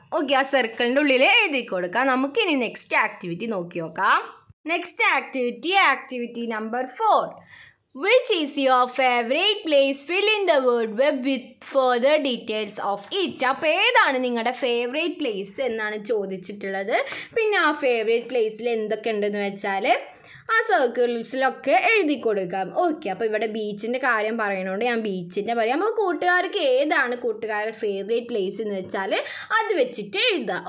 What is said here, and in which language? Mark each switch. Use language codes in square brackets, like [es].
[ml] Okay, ആ സർക്കിളിൻ്റെ ഉള്ളിൽ എഴുതി കൊടുക്കുക. നമുക്കിനി [en] next activity [ml] നോക്കി നോക്കാം. [en] Next activity, activity number 4. Which is your favorite place? Fill in the word web with further details of it. [ml] അപ്പോൾ ഏതാണ് നിങ്ങളുടെ [en] favourite place [ml] എന്നാണ് ചോദിച്ചിട്ടുള്ളത്. പിന്നെ ആ ഫേവറേറ്റ് പ്ലേസിൽ എന്തൊക്കെ ഉണ്ടെന്ന് വെച്ചാൽ ആ സർക്കിൾസിലൊക്കെ എഴുതി കൊടുക്കാം. ഓക്കെ, അപ്പോൾ ഇവിടെ ബീച്ചിൻ്റെ കാര്യം പറയണോണ്ട് ഞാൻ ബീച്ചിൻ്റെ പറയാം. അപ്പോൾ കൂട്ടുകാർക്ക് ഏതാണ് കൂട്ടുകാരുടെ ഫേവറേറ്റ് പ്ലേസ് എന്ന് വെച്ചാൽ അത് വെച്ചിട്ട് എഴുതാം.